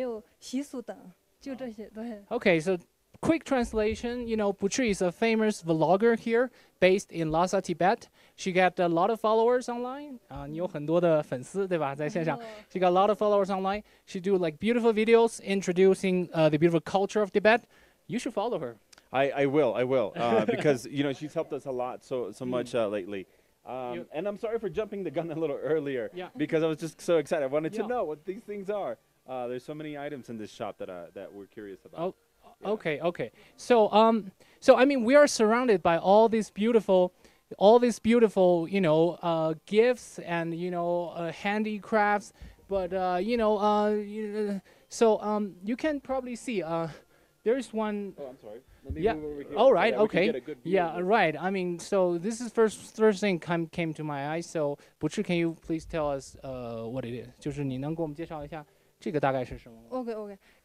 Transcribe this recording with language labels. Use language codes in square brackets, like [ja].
[zh] 这是的嘞，我是普赤，我长居住在拉萨，然后我这边讲一些藏文化方面的视频，然后讲一些西藏这边的一些景点，还有习俗等，就这些。对。Okay, [en] so quick translation. You know, Puchir is a famous vlogger here, based in Lhasa, Tibet. She got a lot of followers online. [zh] 你有很多的粉丝，对吧？在线上。 [en] She got a lot of followers online. She do like beautiful videos introducing the beautiful culture of Tibet. You should follow her. I will, because, you know, she's helped us a lot so much lately. And I'm sorry for jumping the gun a little earlier, because I was just so excited. I wanted to know what these things are. There's so many items in this shop that we're curious about. Okay. So I mean, we are surrounded by all these beautiful, you know, gifts and, you know, handicrafts. But, you know, you can probably see there's one. Oh, I'm sorry. Let me move over here. All right, so okay. We can get a good view. Yeah, right. I mean, so this is first thing came to my eyes. So, Puchir, can you please tell us what it is? [zh] 就是你能给我们介绍一下这个大概是什么吗？OK.